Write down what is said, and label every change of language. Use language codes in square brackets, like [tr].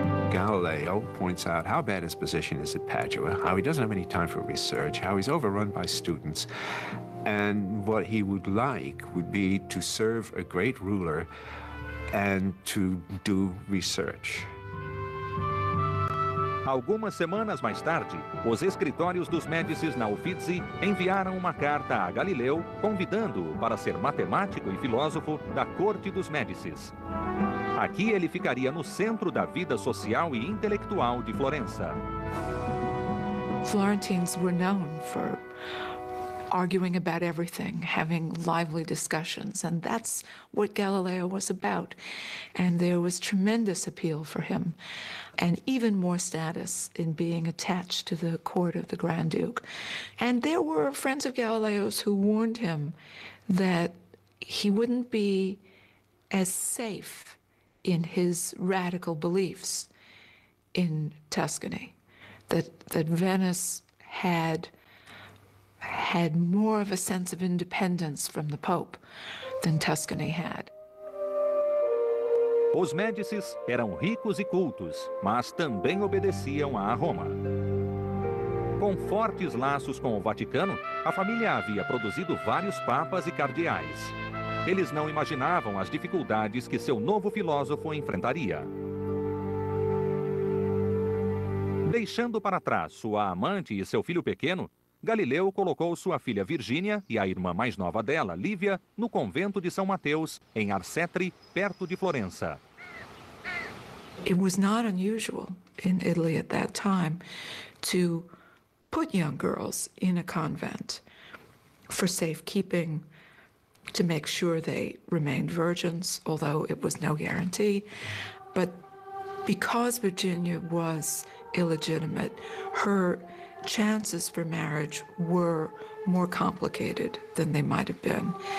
[en] Galileo points out how bad his position is at Padua, how he doesn't have any time for research, how he's overrun by students, and what he would like would be to serve a great ruler and to do research. [pt] Algumas semanas mais tarde, os escritórios dos Médicis na Uffizi enviaram uma carta a Galileu convidando-o para ser matemático e filósofo da corte dos Médicis. Aqui ele ficaria no centro da vida social e intelectual de Florença. [en] Florentines were known for arguing about everything, having lively discussions, and that's what Galileo was about. And there was tremendous appeal for him, and even more status in being attached to the court of the Grand Duke. And there were friends of Galileo's who warned him that he wouldn't be as safe in his radical beliefs in Tuscany, that Venice had more of a sense of independence from the Pope than Tuscany had. [pt] Os Médicis eram ricos e cultos, mas também obedeciam a Roma. Com fortes laços com o Vaticano, a família havia produzido vários papas e cardeais. Eles não imaginavam as dificuldades que seu novo filósofo enfrentaria. Deixando para trás sua amante e seu filho pequeno, Galileu colocou sua filha Virgínia e a irmã mais nova dela, Lívia, no convento de São Mateus, em Arcetri, perto de Florença. [en] It was not unusual in Italy at that time to put young girls in a convent for safekeeping, to make sure they remained virgins, although it was no guarantee. But because Virginia was illegitimate, her chances for marriage were more complicated than they might have been.